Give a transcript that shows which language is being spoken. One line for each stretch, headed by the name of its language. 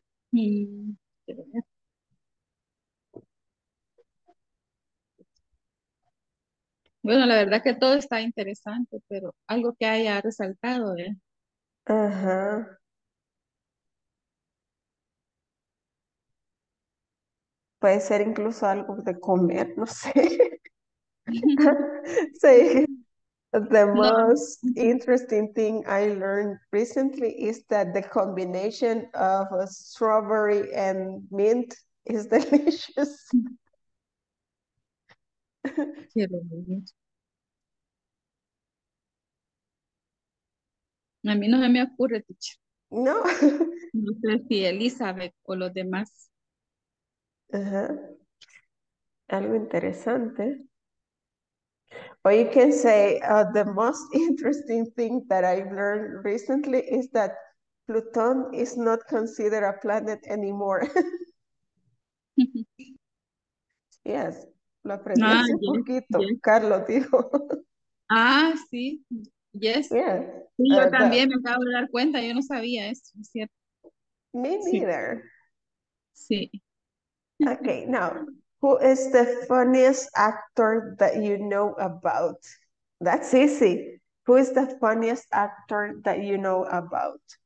Spanish: Bueno, la verdad que todo está interesante, pero algo que haya resaltado, ¿eh? Ajá. Puede ser incluso algo de comer, no sé. Sí.
English: The
Spanish: No.
English: most interesting thing I learned recently is that the combination of a strawberry and mint is delicious.
Spanish: Quiero. A mí no se me ocurre, teacher. No. No sé si Elizabeth o los demás. Algo interesante.
English: Or you can say the most interesting thing that I've learned recently is that Pluton is not considered a planet anymore. Yes,
Spanish: lo aprendí Ah, hace poquito,
English: yes.
Spanish: Carlos dijo. Ah, sí,
English: yes. Yes.
Spanish: Sí, yo también me acabo de dar cuenta, yo no sabía eso, es cierto. Me Sí.
English: neither.
Spanish: Sí.
English: Okay, now, who is the funniest actor that you know about? That's easy. Who is the funniest actor that you know about?